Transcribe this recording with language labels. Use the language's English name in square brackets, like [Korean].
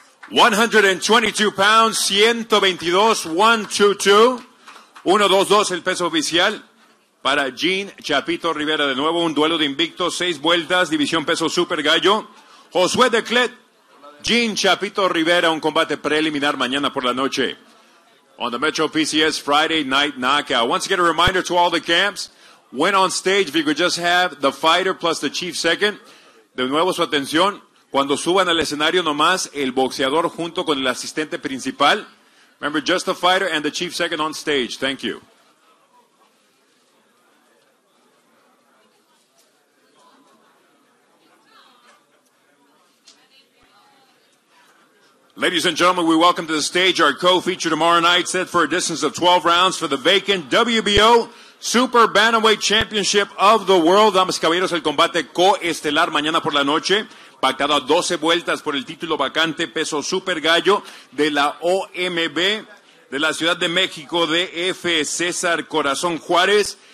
[English] £122, 122, 1, 2, 2. [Spanish] 1, 2, 2, el peso oficial para Gene Chapito Rivera. De nuevo, un duelo de invictos, 6 vueltas, división peso super gallo. Josué Declet, Gene Chapito Rivera, un combate preliminar mañana por la noche. [English] On the Metro PCS Friday Night Knockout. Once again, a reminder to all the camps, when on stage, if you could just have the fighter plus the chief second. [Spanish] De nuevo, su atención. Cuando suban al escenario nomás, el boxeador junto con el asistente principal. [English] Remember, just the fighter and the chief second on stage. Thank you. Ladies and gentlemen, we welcome to the stage our co-feature tomorrow night, set for a distance of 12 rounds for the vacant WBO Super Bantamweight Championship of the World. [Spanish] Damas y caballeros, el combate coestelar mañana por la noche. Pactado a 12 vueltas por el título vacante, peso super gallo de la OMB de la Ciudad de México, DF César Corazón Juárez.